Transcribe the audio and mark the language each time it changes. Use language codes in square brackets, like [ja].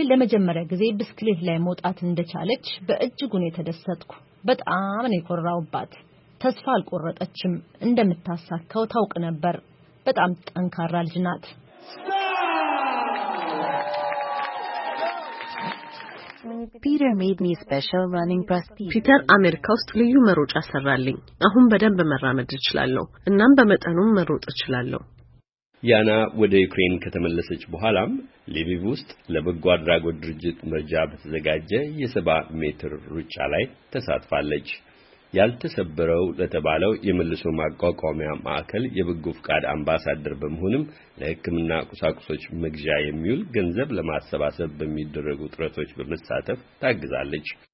[am] ለመጀመሪያ ጊዜ ብስክሌት ላይ መውጣት እንደቻለች በእጅጉ ነው የተደሰትኩ። በጣም ነው የኮራውባት። ተስፋ አልቆረጠችም። እንደምታሳካው ታውቅ ነበር። በጣም ጠንካራ ልጅ ናት። [en] Peter made me special running prosthetic. [am] ፒተር አሜሪካ ውስጥ ልዩ መሮጫ ሰራልኝ። አሁን በደንብ መራመድ እችላለሁ እናም በመጠኑም መሮጥ እችላለሁ። ያና ወደ ዩክሬን ከተመለሰች በኋላም ሊቪቭ ውስጥ ለበጎ አድራጎት ድርጅት መርጃ በተዘጋጀ የ70 ሜትር ሩጫ ላይ ተሳትፋለች። ያልተሰበረው ለተባለው የመልሶ ማቋቋሚያ ማዕከል የበጎ ፍቃድ አምባሳደር በመሆንም ለሕክምና ቁሳቁሶች መግዣ የሚውል ገንዘብ ለማሰባሰብ በሚደረጉ ጥረቶች በመሳተፍ ታግዛለች።